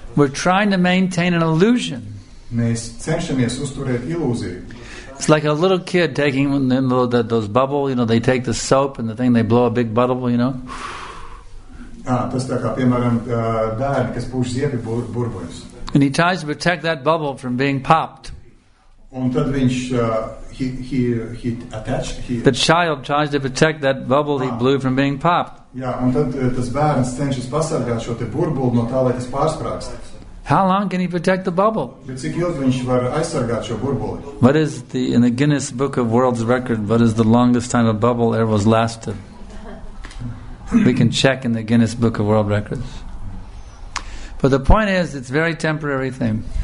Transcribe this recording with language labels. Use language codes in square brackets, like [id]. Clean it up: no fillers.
[en] We're trying to maintain an illusion. [lv] Mēs cenšamies uzturēt ilūziju. [en] It's like a little kid taking those bubbles, you know, they take the soap and the thing, they blow a big bubble, you know. [lv] Tas tā kā, piemēram, bērni, kas pūš ziepi burbuļus. [en] And he tries to protect that bubble from being popped. [lv] Un tad viņš, he [en] the child tries to protect that bubble he blew from being popped. [lv] Yeah, un tad tas bērns cenšas pasargāt šo te burbulu no tā, lai tas pārsprākst. [en] How long can he protect the bubble? [lv] Bet cik ilgi viņš var aizsargāt šo burbuli? [en] What is in the Guinness Book of World's Record, what is the longest time a bubble ever was lasted? We can check in the Guinness Book of World Records. But the point is, it's very temporary thing.